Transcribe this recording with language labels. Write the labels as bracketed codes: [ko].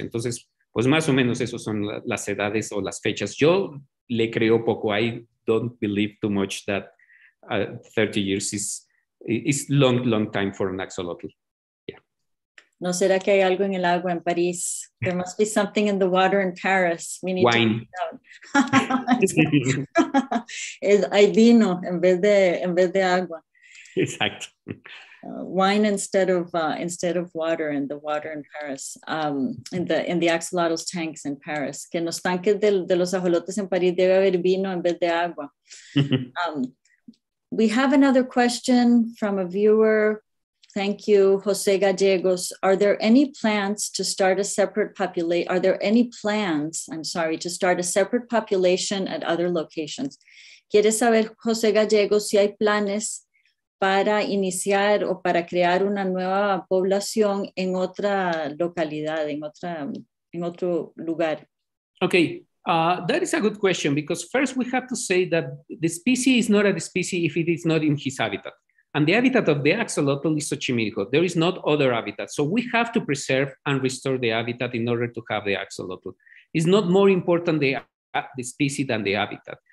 [es] Entonces, pues más o menos esas son las edades o las fechas. Yo le creo poco. [en] I don't believe too much that 30 years is long, long time for an axolotl. Yeah. [es] ¿No será que hay algo en el agua en París? [en] There must be something in the water in Paris. We need wine. [es] Hay vino en vez de agua. Exacto. [en] Wine instead of water in the water in Paris, in the axolotl's tanks in Paris. [es] Que en los tanques de los ajolotes en París debe haber vino en vez de agua. [en] We have another question from a viewer. Thank you, Jose Gallegos. Are there any plans to start a separate population? Are there any plans, I'm sorry, to start a separate population at other locations? [es] ¿Quieres saber, Jose Gallegos, si hay planes para iniciar o para crear una nueva población en otra localidad, en otro lugar? [en] Okay, that is a good question, because first we have to say that the species is not a species if it is not in his habitat. And the habitat of the axolotl is Xochimilco. There is not other habitat. So we have to preserve and restore the habitat in order to have the axolotl. It's not more important the species than the habitat.